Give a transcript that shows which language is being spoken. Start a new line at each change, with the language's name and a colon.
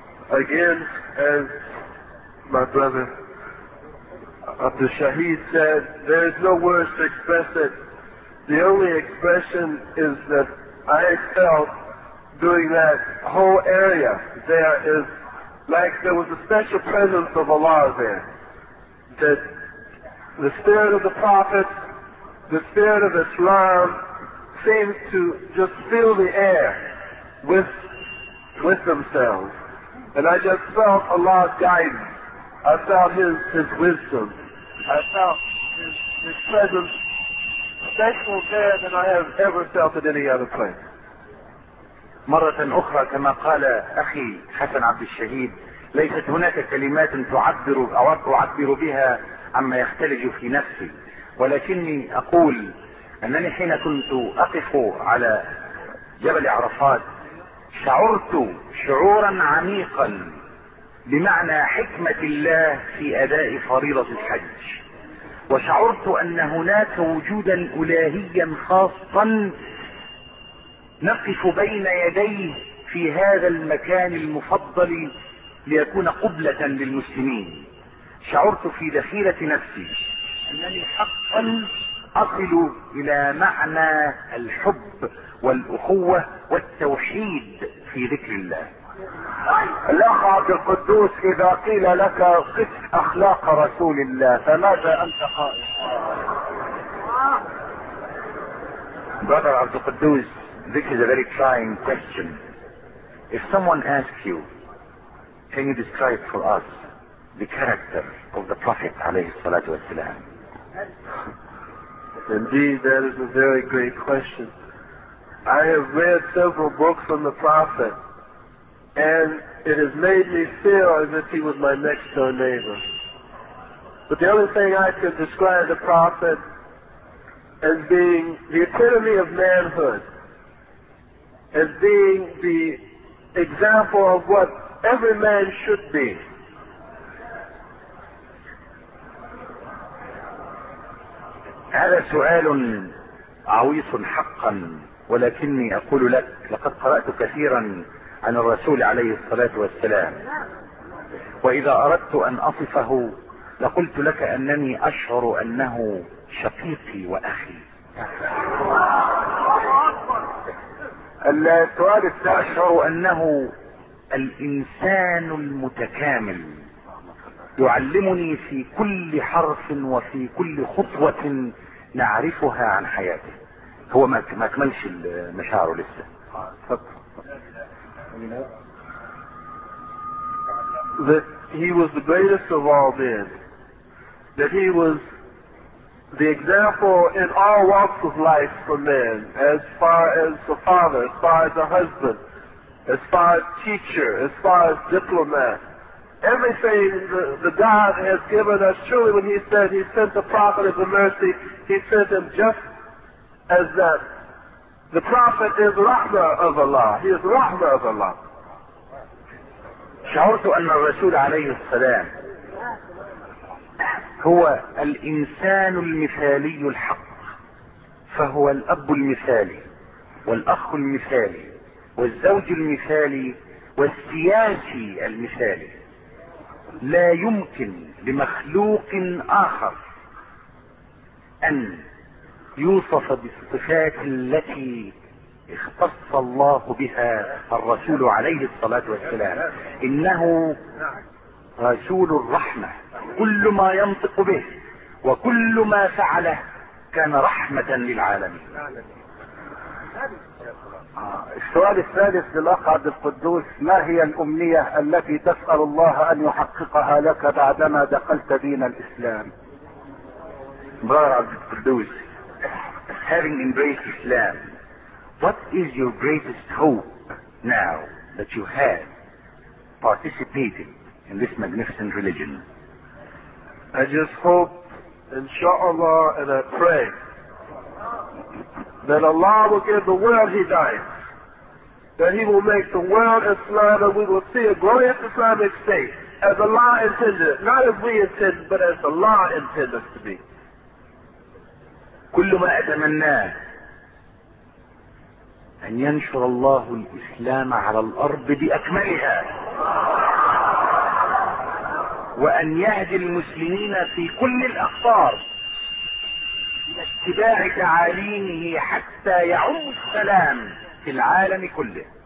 English: Again as my brother عبد الشهيد said there is no words to express it the only expression is that I felt doing that whole area there is like there was a special presence of Allah there that the spirit of the prophet the spirit of Islam seemed to just fill the air with themselves and I just felt Allah's guidance I felt his wisdom I felt his presence special there than I have ever felt at any other place
Arabic: مرة أخرى كما قال أخي حسن عبد الشهيد ليست هناك كلمات تعبر أو أعبر بها عما يختلج في نفسي ولكني أقول أنني حين كنت أقف على جبل عرفات شعرت شعورا عميقا بمعنى حكمة الله في أداء فريضة الحج وشعرت أن هناك وجودا إلهيا خاصا نقف بين يديه في هذا المكان المفضل ليكون قبلة للمسلمين شعرت في ذخيرة نفسي أنني حقا أصل إلى معنى الحب والأخوة والتوحيد في ذكر الله الأخ عبد القدوس إذا قيل لك قف أخلاق رسول الله فماذا أنت قائل
English: Brother عبد القدوس This is a very trying question. If someone asks you, can you describe for us the character of the Prophet
Arabic: alayhi salatu wasalam?
English: Indeed, that is a very great question. I have read several books on the Prophet, and it has made me feel as if he was my next door neighbor. But the only thing I could describe the Prophet as being the epitome of manhood. As being the example of what every man should be.
Arabic: هذا سؤال عويص حقا ولكني اقول لك لقد قرأت كثيرا عن الرسول عليه الصلاة والسلام واذا اردت ان اصفه لقلت لك انني اشعر انه شقيقي واخي السؤال أشعر أنه الإنسان المتكامل يعلمني في كل حرف وفي كل خطوة نعرفها عن حياته هو ما كملش المشاعر لسه
English: that he was the greatest of all men that he was The example in all walks of life for men, as far as the father, as far as the husband, as far as teacher, as far as diplomat, everything the God has given us, truly when he said he sent the prophet as a mercy, he sent him just as that The Prophet is Rahmah of Allah. He is Rahmah of Allah.
Arabic: شعرت أن الرسول عليه السلام هو الإنسان المثالي الحق، فهو الأب المثالي والأخ المثالي والزوج المثالي والسياسي المثالي. لا يمكن لمخلوق آخر أن يوصف بالصفات التي اختص الله بها الرسول عليه الصلاة والسلام. إنه رسول الرحمة، كل ما ينطق به وكل ما فعله كان رحمة للعالمين. السؤال الثالث للأخ عبد القدوس، ما هي الأمنية التي تسأل الله أن يحققها لك بعدما دخلت دين الإسلام؟
English: مبارك عبد القدوس، having embraced Islam, what is your greatest hope now that you have participated in this magnificent religion? I just hope, inshallah, and I pray that Allah will give the world hidayah, that He will make the world Islam, and we will see a glorious Islamic state as Allah intended, not as we intend, but as Allah intended us to be.
Arabic: كل ما أتمناه أن ينشر الله الإسلام على الأرض بأكملها، وأن يهدي المسلمين في كل الأقطار لاتباع تعاليمه حتى يعم السلام في العالم كله.